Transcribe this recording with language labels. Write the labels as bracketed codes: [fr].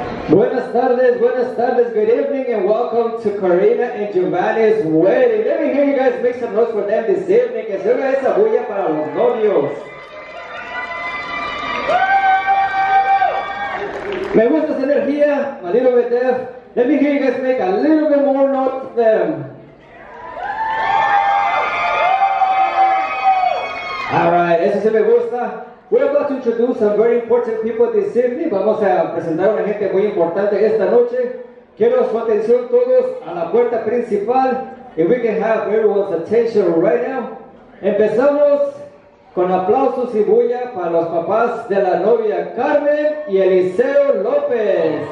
[es] Buenas tardes, [en] good evening, and welcome to Karina and Giovanni's wedding. Let me hear you guys make some noise for them this evening. [es] Que se oiga esa bulla para los novios. Me gusta esa energía, [en] a little bit there. Let me hear you guys make a little bit more noise for them. All right, [es] eso se me gusta. [en] We're about to introduce some very important people this evening. [es] Vamos a presentar a una gente muy importante esta noche. Quiero su atención todos a la puerta principal. [en] If we can have everyone's attention right now. [es] Empezamos con aplausos y bulla para los papás de la novia Carmen y Eliseo López.